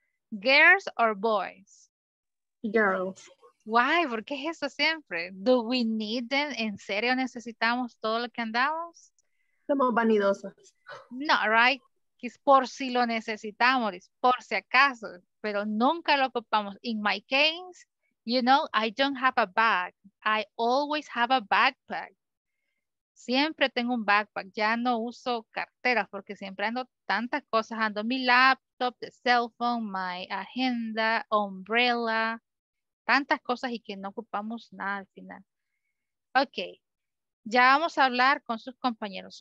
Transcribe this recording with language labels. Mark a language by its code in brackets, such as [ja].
[en] ¿Girls or boys? Girls. Why? [es] ¿Por qué es eso siempre? [en] ¿Do we need them? [es] ¿En serio necesitamos todo lo que andamos? Somos vanidosos. [en] No, right? [es] Es por si lo necesitamos, es por si acaso, pero nunca lo ocupamos. [en] In my case, you know, I don't have a bag. I always have a backpack. [es] Siempre tengo un backpack. Ya no uso carteras porque siempre ando tantas cosas. Ando mi [en] laptop, the cell phone, my agenda, umbrella. [es] Tantas cosas y que no ocupamos nada al final. Ok. Ya vamos a hablar con sus compañeros.